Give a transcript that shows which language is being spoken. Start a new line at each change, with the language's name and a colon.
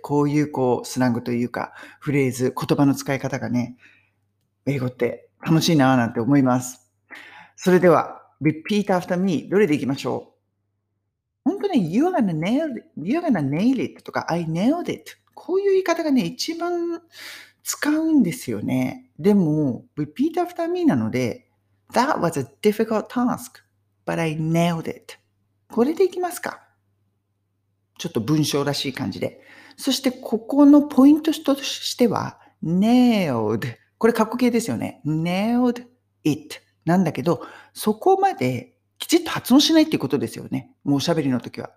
Japanese: こういう、こう、スラングというか、フレーズ、言葉の使い方がね、英語って楽しいなぁなんて思います。それでは、
English: repeat after me。
Japanese: どれでいきましょう。本当
English: ね、You're gonna nail it とか、I nailed it。
Japanese: こういう言い方がね、一番使うんですよね。でも、
English: repeat after me
Japanese: なので、
English: That was a difficult task, but I nailed it。
Japanese: これでいきますか。ちょっと文章らしい感じで。そして、ここのポイントとしては、nailed。これ、カッコ形ですよね。
English: nailed it。
Japanese: なんだけど、そこまできちっと発音しないっていうことですよね。もうおしゃべりの時は。